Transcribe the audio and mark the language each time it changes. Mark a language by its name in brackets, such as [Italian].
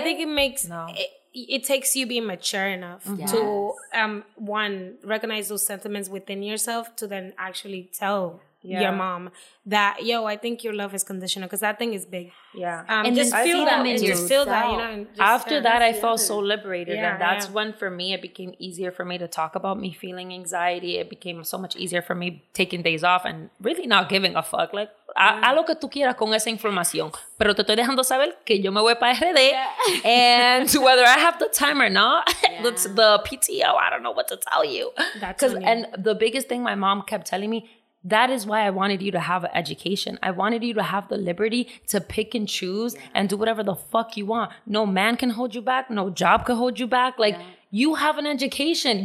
[English] I think it makes it takes you being mature enough to, one, recognize those sentiments within yourself to then actually tell your mom that, yo, I think your love is conditional, because that thing is big. And just feel that. After that, I felt so liberated. Yeah, and that's when, for me, it became easier for me to talk about me feeling anxiety. It became so much easier for me taking days off and really not giving a fuck. [Spanish] Like, a lo que tú quieras con esa información. Pero te estoy dejando saber que yo me voy para RD. [English] And whether I have the time or not, the PTO, I don't know what to tell you. And the biggest thing my mom kept telling me, that is why I wanted you to have an education. I wanted you to have the liberty to pick and choose and do whatever the fuck you want. No man can hold you back. No job can hold you back. Like, you have an education.